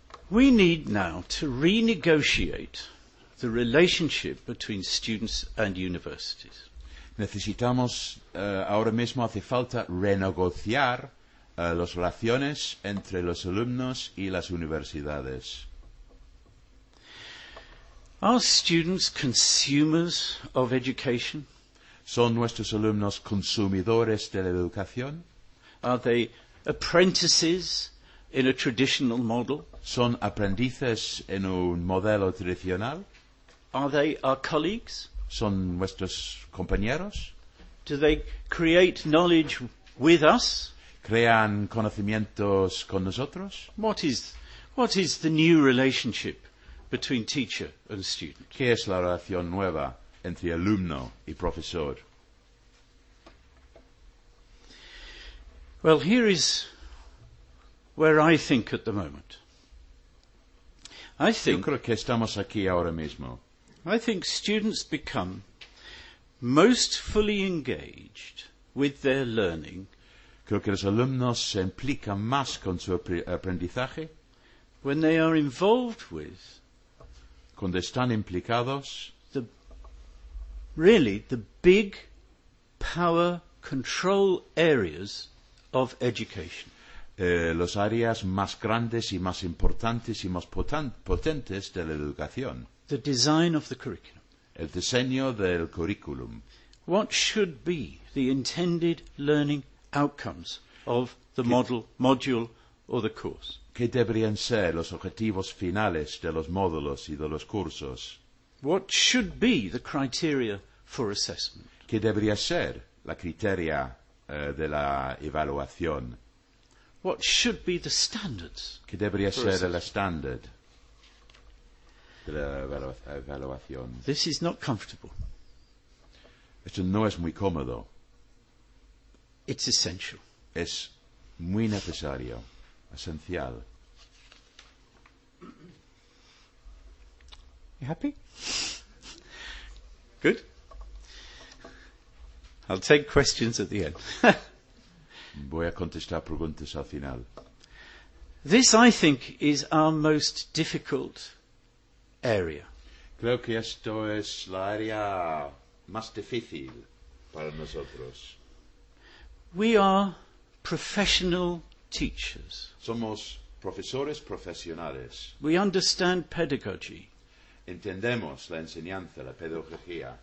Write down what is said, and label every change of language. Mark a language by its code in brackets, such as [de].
[en] We need now to renegotiate the relationship between students and universities. [es] Necesitamos ahora mismo, hace falta renegociar las relaciones entre los alumnos y las universidades. [en] Are students consumers of education? [es] ¿Son nuestros alumnos consumidores de la educación? [en] Are they apprentices in a traditional model? [es] ¿Son aprendices en un modelo tradicional? [en] Are they our colleagues? [es] ¿Son nuestros compañeros? [en] Do they create knowledge with us? [es] ¿Crean conocimientos con nosotros? [en] What is the new relationship between teacher and student? [es] ¿Qué es la relación nueva entre alumno y profesor? [en] Well, here is where I think at the moment. [es] Yo creo que estamos aquí ahora mismo. [en] I think students become most fully engaged with their learning. [es] Creo que los alumnos se implican más con su aprendizaje. [en] When they are involved with. [es] Cuando están implicados. [en] The big power control areas of education. [es] Los áreas más grandes y más importantes y más potentes de la educación. [en] The design of the curriculum. [es] El diseño del currículum. [en] What should be the intended learning outcomes of the module or the course? [es] ¿Qué deberían ser los objetivos finales de los módulos y de los cursos? [en] What should be the criteria for assessment? [es] ¿Qué debería ser la criteria de la evaluación? [en] What should be the standards? [es] ¿Qué debería ser el standard de la evaluación? [en] This is not comfortable. [es] Esto no es muy cómodo. [en] It's essential. [es] Es muy necesario, esencial. [en] You happy? Good. I'll take questions at the end. [es] Voy a contestar preguntas al final. [en] This, I think, is our most difficult area. [es] Creo que esto es la área más difícil para nosotros. [en] We are professional teachers. [es] Somos profesores profesionales. [en] We understand pedagogy. [es] Entendemos la enseñanza, la pedagogía.